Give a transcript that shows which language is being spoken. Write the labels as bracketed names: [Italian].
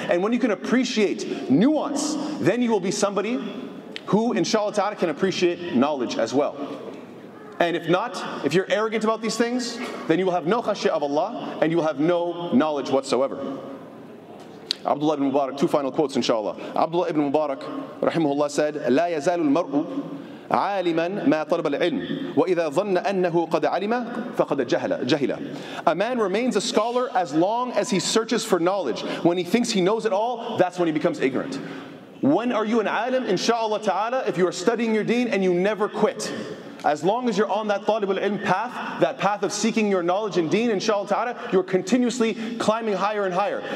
[English] And when you can appreciate nuance, then you will be somebody who, inshallah ta'ala, can appreciate knowledge as well. And if not, if you're arrogant about these things, then you will have no khashya of Allah and you will have no knowledge whatsoever. Abdullah ibn Mubarak, two final quotes inshallah. [Arabic] Abdullah ibn Mubarak, rahimahullah, said, لا يزال المرء عالما ما طلب العلم وإذا ظن أنه قد علم فقد جهل. [English] A man remains a scholar as long as he searches for knowledge. When he thinks he knows it all, that's when he becomes ignorant. When are you an alim? Inshallah ta'ala, if you are studying your deen and you never quit. As long as you're on that talib al-ilm path, that path of seeking your knowledge and deen, inshallah ta'ala, you're continuously climbing higher and higher.